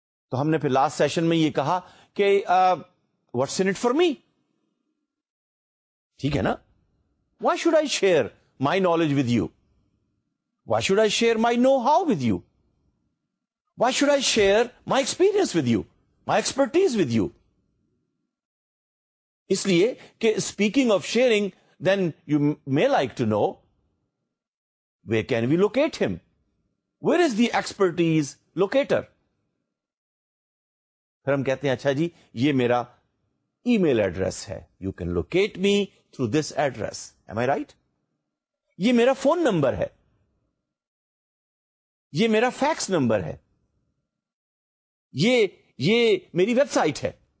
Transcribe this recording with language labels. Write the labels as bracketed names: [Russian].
[Urdu] تو ہم نے پھر لاسٹ سیشن میں یہ کہا کہ [English] what's in it for me, [Urdu] ٹھیک ہے نا، [English] Why should I share my knowledge with you, why should I share my know how with you, why should I share my experience with you, my expertise with you. [Urdu] اس لیے کہ [English] Speaking of sharing, then you may like to know where can we locate him, where is the expertise locator. [Urdu] پھر ہم کہتے ہیں اچھا جی، یہ میرا ایمیل ایڈریس ہے، [English] You can locate me through this address, am I right? [Urdu] یہ میرا فون نمبر ہے، یہ میرا فیکس نمبر ہے، یہ میری ویب سائٹ ہے.